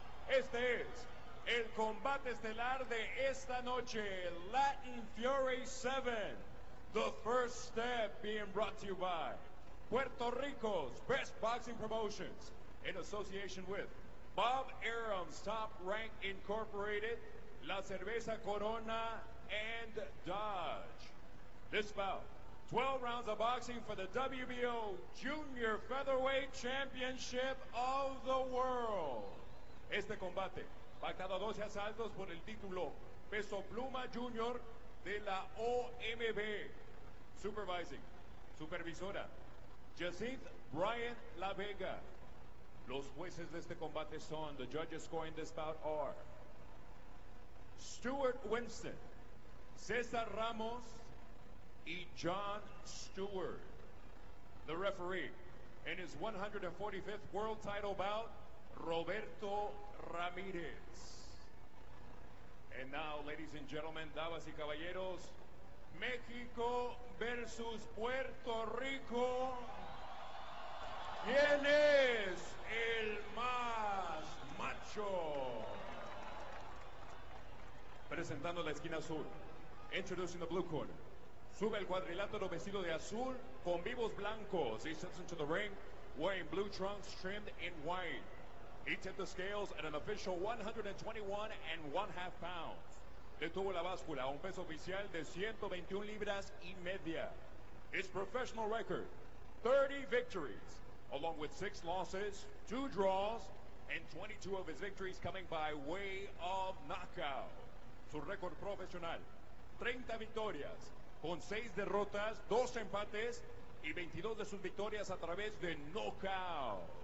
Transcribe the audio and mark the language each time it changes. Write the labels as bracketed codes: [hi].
[es] Este es el combate estelar de esta noche, [en] Latin Fury 7, the first step being brought to you by Puerto Rico's best boxing promotions in association with Bob Arum's Top Rank Incorporated, La Cerveza Corona, and Dodge. This bout, 12 rounds of boxing for the WBO Junior Featherweight Championship of the World. [es] Este combate, pactado a 12 asaltos por el título Peso Pluma Junior de la OMB. [en] Supervising, supervisora, Jacinth Bryant La Vega. [es] Los jueces de este combate son, [en] the judges scoring this bout are, [es] Stuart Winston, Cesar Ramos, y John Stewart. [en] The referee, in his 145th world title bout, Roberto Ramirez. And now, ladies and gentlemen, [es] damas y caballeros, [en] México versus Puerto Rico. [es] ¿Quién es el más macho? Presentando la esquina azul, [en] introducing the blue corner. [es] Sube el cuadrilátero vestido de azul con vivos blancos. [en] He steps into the ring wearing blue trunks trimmed in white. He tipped the scales at an official 121.5 pounds. [es] Detuvo la báscula a un peso oficial de 121 libras y media. [en] His professional record, 30 victories, along with 6 losses, 2 draws, and 22 of his victories coming by way of knockout. [es] Su récord profesional, 30 victorias, con 6 derrotas, 2 empates, y 22 de sus victorias a través de knockout.